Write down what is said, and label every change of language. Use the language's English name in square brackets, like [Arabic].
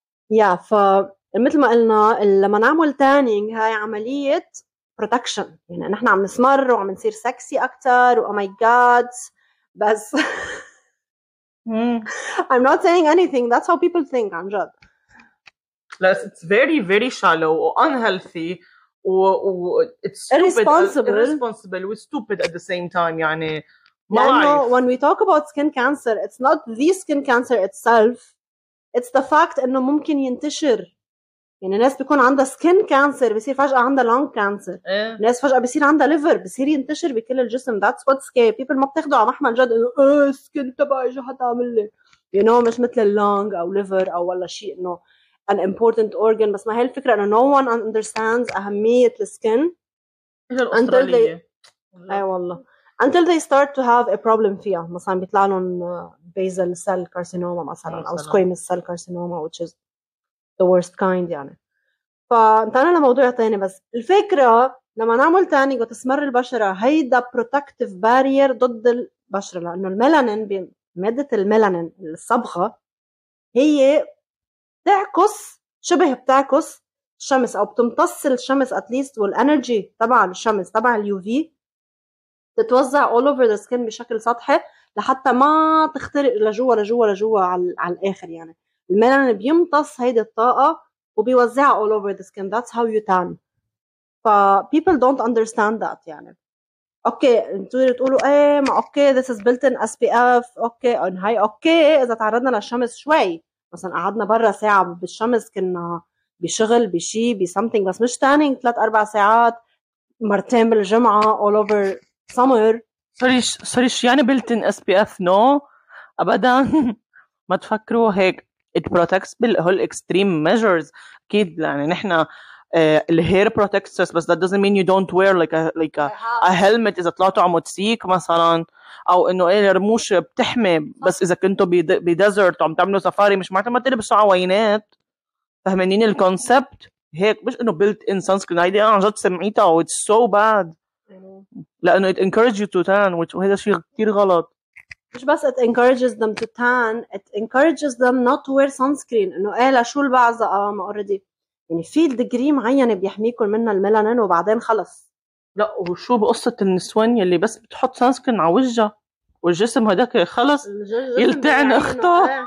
[Arabic] يا ف مثل ما قلنا لما نعمل تانينج هاي عملية بروتكشن، يعني نحن عم نسمر وعم نصير سكسي أكتر و [English] oh my god، [Arabic] بس [English] I'm not saying anything, that's how people think [Arabic] عن جد. [English] Plus it's very very shallow و unhealthy و it's stupid, irresponsible و stupid at the same time. [Arabic] يعني [English] لأنه when we talk about skin cancer it's not the skin cancer itself, it's the fact [Arabic] إنه ممكن ينتشر. يعني ناس بيكون عندها skin cancer بيصير فجأة عندها lung cancer. إيه. ناس فجأة بيصير عندها liver بيصير ينتشر بكل الجسم. [English] That's what's scary. [Arabic] People ما بتاخده على محمل جد إنه skin تبعي شو هتعمل لي. [English] You know [Arabic] مش مثل lung أو liver أو ولا شيء إنه [English] an important organ. [Arabic] بس ما هي الفكرة إنه [English] no one understands [Arabic] أهمية skin [English] until they [Arabic] أي والله [English] until they start to have a problem فيها. [Arabic] مثلاً بيطلع لهم [English] basal cell carcinoma [Arabic] مثلاً أو [English] squamous cell carcinoma which is the worst kind. [Arabic] يعني فانتقلنا لموضوع تاني، بس الفكرة لما نعمل تاني وتسمر البشرة هيدا protective barrier ضد البشرة، لأنه الميلانين بمادة الميلانين الصبغة هي تعكس شبه بتعكس الشمس أو بتمتص الشمس [English] at least [Arabic] والانرجي تبع الشمس تبع اليوفي تتوزع [English] all over the skin [Arabic] بشكل سطحي لحتى ما تخترق لجوه لجوه لجوه على الآخر. يعني الميلانين بيمتص هيدي الطاقة وبيوزعها [English] all over the skin. That's how you tan. ف people don't understand that. [Arabic] يعني اوكي انتوا تقولوا ايه ما اوكي [English] this is built in SPF [Arabic] اوكي ان هاي اوكي اذا تعرضنا للشمس شوي، مثلا قعدنا برا ساعة بالشمس كنا بشغل بشي بي [English] something، [Arabic] بس مش tanning 3-4 ساعات مرتين بالجمعة [English] all over summer. [Arabic] سوري شو يعني built in SPF؟ نو ابدا ما تفكروا هيك، [English] it protects [Arabic] بالهول [English] extreme measures [Arabic] اكيد. يعني نحن الهير [English] protects us، [Arabic] بس [English] that doesn't mean you don't wear like a helmet [Arabic] اذا طلعتوا عم تسيك مثلا، او انه ايه الرموش بتحمي، بس اذا كنتوا بديزرت عم تعملوا سفاري مش معناته ما تلبسوا عوينات. فهمانين الكونسبت هيك؟ مش انه [English] built in sunscreen، [Arabic] هيدي انا جد سمعتها و [English] it's so bad، [Arabic] لانه [English] it encourages you to tan [Arabic] وهذا شيء كتير غلط. [English] مش بس it encourages them to tan, it encourages them not to wear sunscreen. [Arabic] إنه إيه لشو البعض ما already يعني في الدجري معينة بيحميكم من الميلانين وبعدين خلص. لا وشو بقصة النسوان يلي بس بتحط sunscreen على وجهها والجسم هداك خلص يلتعن أخته؟